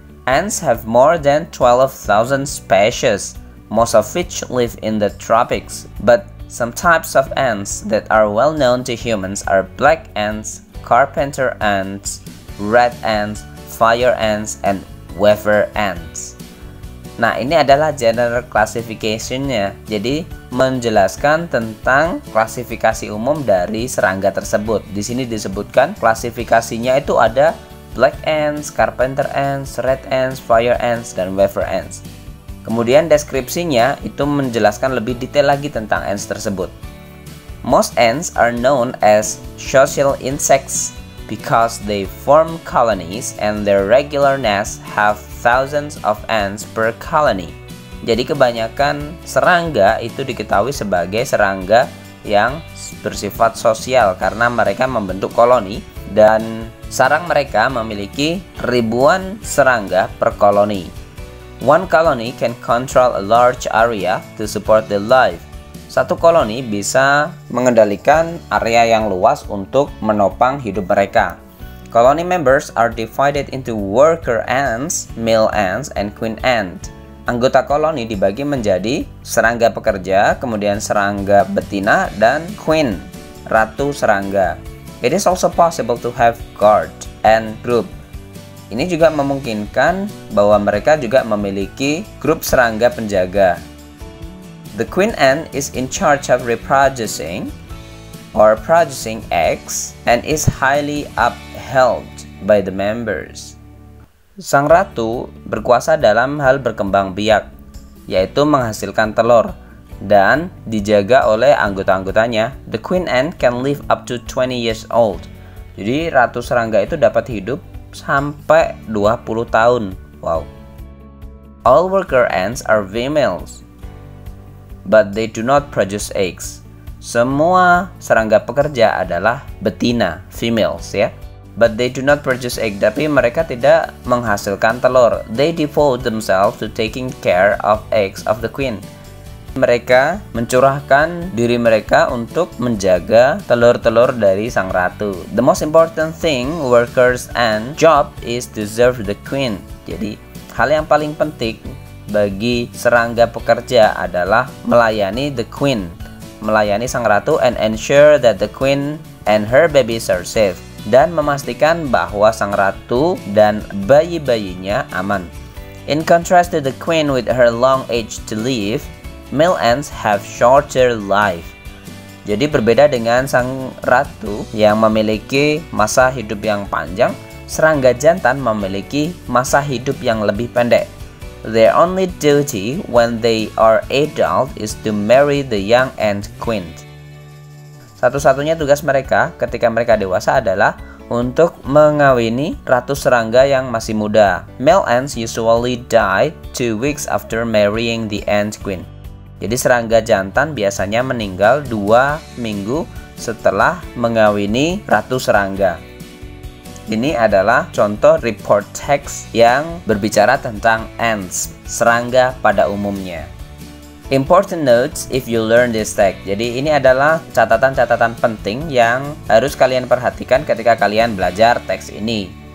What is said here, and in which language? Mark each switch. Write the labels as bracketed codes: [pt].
[en] Ants have more than 12,000 species, most of which live in the tropics. But some types of ants that are well known to humans are black ants, carpenter ants, red ants, fire ants, and weaver ants. [id] Nah, ini adalah general classification-nya. Jadi menjelaskan tentang klasifikasi umum dari serangga tersebut. Di sini disebutkan klasifikasinya itu ada [en] black ants, carpenter ants, red ants, fire ants, [id] dan weaver ants. Kemudian deskripsinya itu menjelaskan lebih detail lagi tentang ants tersebut. [en] Most ants are known as social insects because they form colonies and their regular nests have thousands of ants per colony. [id] Jadi kebanyakan serangga itu diketahui sebagai serangga yang bersifat sosial karena mereka membentuk koloni dan sarang mereka memiliki ribuan serangga per koloni. [en] One colony can control a large area to support the life. [id] Satu koloni bisa mengendalikan area yang luas untuk menopang hidup mereka. [en] Colony members are divided into worker ants, male ants, and queen ant. [id] Anggota koloni dibagi menjadi serangga pekerja, kemudian serangga betina, dan queen, ratu serangga. [en] It is also possible to have guard and group. [id] Ini juga memungkinkan bahwa mereka juga memiliki grup serangga penjaga. [en] The queen ant is in charge of reproducing or producing eggs and is highly upheld by the members. [id] Sang ratu berkuasa dalam hal berkembang biak, yaitu menghasilkan telur, dan dijaga oleh anggota-anggotanya. [en] The queen ant can live up to 20 years old. [id] Jadi ratu serangga itu dapat hidup sampai 20 tahun. [en] Wow. All worker ants are females, but they do not produce eggs. [id] Semua serangga pekerja adalah betina, females ya. [en] But they do not produce eggs, [id] tapi mereka tidak menghasilkan telur. [en] They devote themselves to taking care of eggs of the queen. [id] Mereka mencurahkan diri mereka untuk menjaga telur-telur dari sang ratu. [en] The most important thing workers and job is to serve the queen. [id] Jadi, hal yang paling penting bagi serangga pekerja adalah melayani the queen, melayani sang ratu, [en] and ensure that the queen and her babies are safe, [id] dan memastikan bahwa sang ratu dan bayi-bayinya aman. [en] In contrast to the queen with her long age to live, male ants have shorter life. [id] Jadi berbeda dengan sang ratu yang memiliki masa hidup yang panjang, serangga jantan memiliki masa hidup yang lebih pendek. [en] Their only duty when they are adult is to marry the young ant queen. [id] Satu-satunya tugas mereka ketika mereka dewasa adalah untuk mengawini ratu serangga yang masih muda. [en] Male ants usually die 2 weeks after marrying the ant queen. [id] Jadi serangga jantan biasanya meninggal 2 minggu setelah mengawini ratu serangga. Ini adalah contoh report text yang berbicara tentang ants, serangga pada umumnya. [en] Important notes if you learn this text. [id] Jadi ini adalah catatan-catatan penting yang harus kalian perhatikan ketika kalian belajar teks ini.